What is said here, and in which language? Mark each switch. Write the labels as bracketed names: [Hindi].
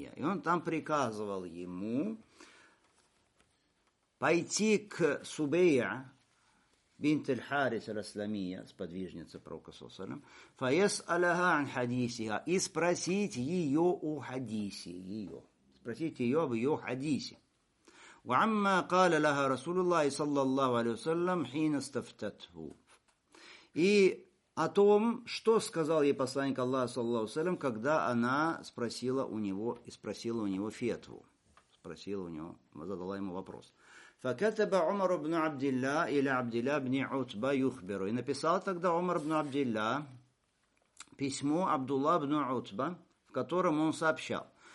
[Russian] И он там приказывал ему пойти к Субейя бинт аль-Харис ар-Расламия, сподвижница пророка, саллаллаху алейхи ва саллям, фаяс аляха ан хадисиха, и спросить ее о хадисе, ее, спросить ее об ее хадисе. [Arabic] وعما قال لها رسول الله صلى الله عليه وسلم حين استفتته. [Russian] И о том, что сказал ей посланник Аллаха саллаллаху алейхи ва саллям, когда она спросила у него и спросила у него фетву, спросила у него, задала ему вопрос. [Arabic] فكتب عمر بن عبد الله إلى عبد الله بن عتبة يخبره. [Russian] И написал тогда Умар бин Абдилля письмо Абдулла бин Утба, в котором он сообщал.